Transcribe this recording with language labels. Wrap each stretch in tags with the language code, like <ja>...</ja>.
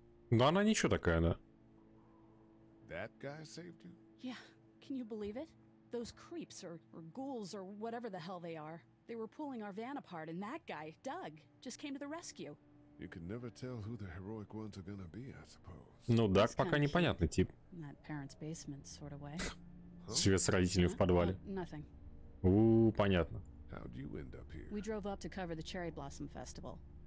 <ru>Но она ничего такая, да?</ru> <en>That guy saved you? Yeah, can you believe it? Those creeps or ghouls or whatever the hell they are, they were pulling our van apart and that guy, Doug, just came to the rescue. You can never tell who the heroic ones are gonna be, I suppose.</en> <ru>Ну, Doug пока непонятный тип.</ru> <en>In that parents' basement sort of way.</en> <ru>Свет с родителями в подвале. Ну, понятно.</ru> <en>How did you end up here? We drove up to cover the cherry blossom festival.</en>